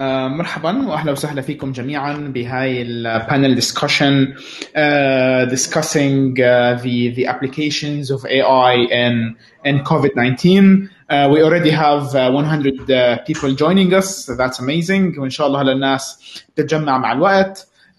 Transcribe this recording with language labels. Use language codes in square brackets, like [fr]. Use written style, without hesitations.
[ar] مرحبا واهلا وسهلا فيكم جميعا بهاي البانل ديسكشن [en] discussing the applications of AI in COVID-19. We already have 100 people joining us, so that's amazing. [ar] وان شاء الله للناس تتجمع مع الوقت.